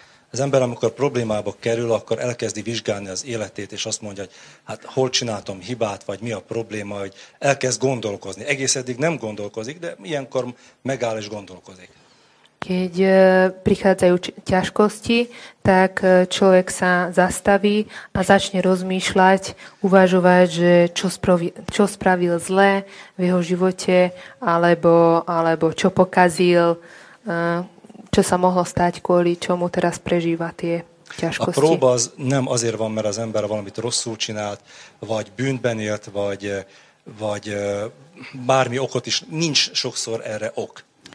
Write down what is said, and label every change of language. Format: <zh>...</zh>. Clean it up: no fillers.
<hu>Az ember, amikor problémába kerül, akkor elkezdi vizsgálni az életét, és azt mondja, hogy hát hol csináltam hibát, vagy mi a probléma, hogy elkezd gondolkozni. Egész eddig nem gondolkozik, de ilyenkor megáll és gondolkozik.</hu> <sk>Keď prichádzajú ťažkosti, tak človek sa zastaví a začne rozmýšľať, uvažovať, že čo spravil zle v jeho živote, alebo čo pokazil, čo sa mohlo stať, kvôli čomu teraz prežíva tie ťažkosti.</sk> <hu>A próba az nem azért van, mert az ember valamit rosszul csinált, vagy bűnben élt, vagy bármi okot is, nincs sokszor erre ok.</hu>